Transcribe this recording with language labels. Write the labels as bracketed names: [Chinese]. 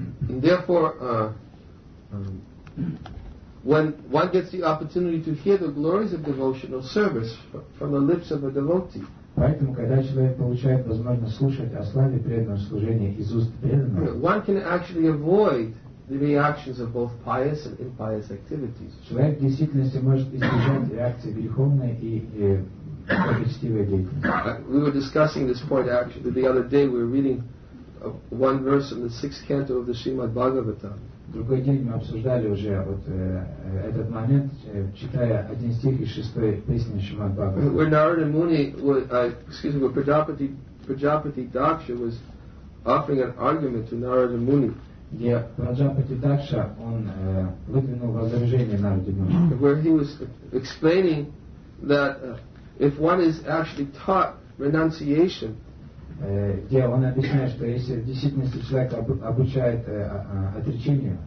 [English] Therefore, when one gets the opportunity to hear the glories of devotional service from the lips of a devotee, [Russian] поэтому когда человек получает возможность слушать о славе преданного служения из уст преданного, [English] one can actually avoid the reactions of both pious and impious activities. [Russian] Человек в действительности может избежать реакции греховной и благочестивой деятельности. [English] We were discussing this point actually the other day. We were reading one verse from the sixth canto of the Srimad Bhagavatam. [Russian] Другой день мы обсуждали уже вот этот момент, читая один стих из шестой песни Шримад Бхагаватам. [English] Where Narada Muni, where Prajapati Daksha was offering an argument to Narada Muni. [Russian] Где Праджапати Дакша, он выдвинул возражение Нараде Муни. [English] Where he was explaining that if one is actually taught renunciation, [Russian] где он объясняет, что если в действительности человек обучает отречению,